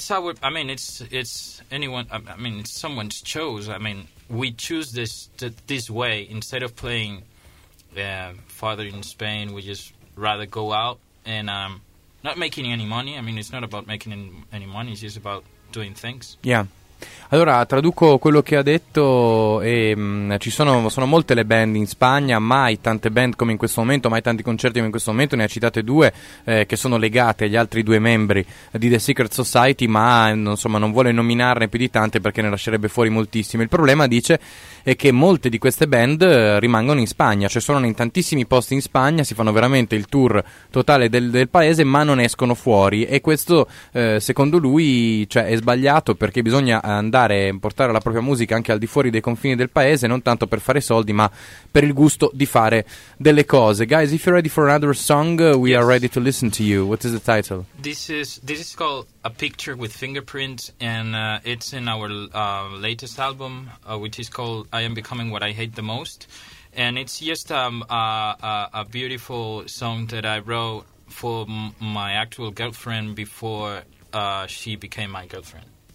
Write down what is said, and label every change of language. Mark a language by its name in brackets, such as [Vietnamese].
[English] It's someone's chose. I mean, we choose this way. Instead of playing farther in Spain, we just rather go out and not making any money. I mean, it's not about making any money. It's just about doing things. Yeah. [Italian] Allora, traduco quello che ha detto, e ci sono molte le band in Spagna, mai tante band come in questo momento, mai tanti concerti come in questo momento, ne ha citate due che sono legate agli altri due membri di The Secret Society, ma insomma non vuole nominarne più di tante perché ne lascerebbe fuori moltissime. Il problema, dice, è che molte di queste band rimangono in Spagna, cioè suonano in tantissimi posti in Spagna, si fanno veramente il tour totale del paese, ma non escono fuori, e questo secondo lui, cioè, è sbagliato, perché bisogna andare a portare la propria musica anche al di fuori dei confini del paese, non tanto per fare soldi ma per il gusto di fare delle cose. [English] Guys, if you're ready for another song, we yes. are ready to listen to you. What is the title? This is called A Picture with Fingerprints, and it's in our latest album, which is called I Am Becoming What I Hate the Most, and it's just a beautiful song that I wrote for my actual girlfriend before she became my girlfriend.